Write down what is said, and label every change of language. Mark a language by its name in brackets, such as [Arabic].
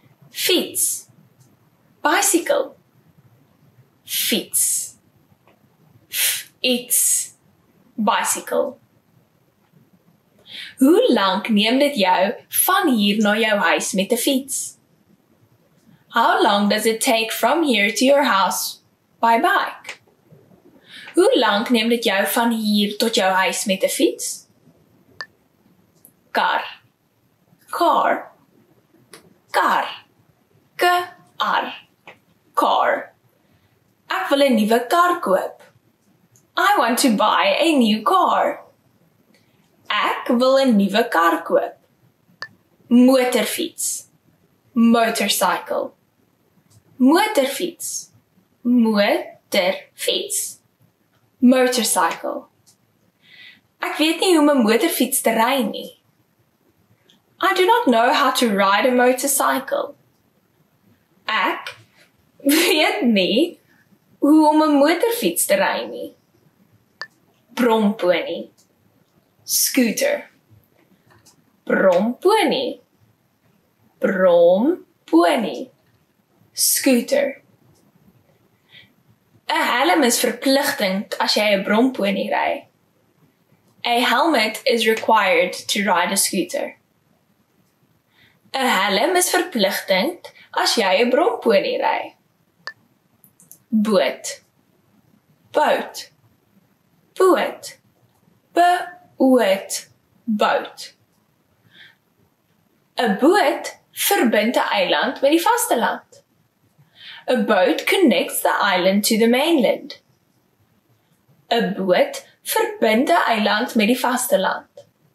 [Afrikaans] Fiets. [English] Bicycle. [Afrikaans] Fiets. Fiets. [English] Bicycle. [Afrikaans] Hoe lank neem dit jou van hier na jou huis met 'n fiets? [English] How long does it take from here to your house by bike? [Afrikaans] Hoe lank neem dit jou van hier tot jou huis met 'n fiets? Car. [English] Car. [Afrikaans] Car. K-R. [English] Car. [Afrikaans] Ek wil 'n nuwe kar koop. [English] I want to buy a new car. [Afrikaans] Ek wil 'n nuwe kar koop. Motorfiets. [English] Motorcycle. [Afrikaans] Motorfiets. Motorfiets. [English] Motorcycle. [Afrikaans] Ek weet nie hoe 'n motorfiets te ry nie. [English] I do not know how to ride a motorcycle. [Afrikaans] Ek weet nie hoe om 'n motorfiets te ry nie. Bromponie. [English] Scooter. [Afrikaans] Bromponie. Bromponie. [English] Scooter. [Afrikaans] 'n Helm is verpligtend as jy 'n bromponie ry. [English] A helmet is required to ride a scooter. [Afrikaans] 'n Helm is verpligtend as jy 'n bromponie ry. Boot. [English] Boot. [Afrikaans] Boot. Boot. Boot. 'n Boot verbind 'n eiland met die vasteland. [English] A boat connects the island to the mainland. [Afrikaans] 'n Boot verbind 'n eiland met die vasteland.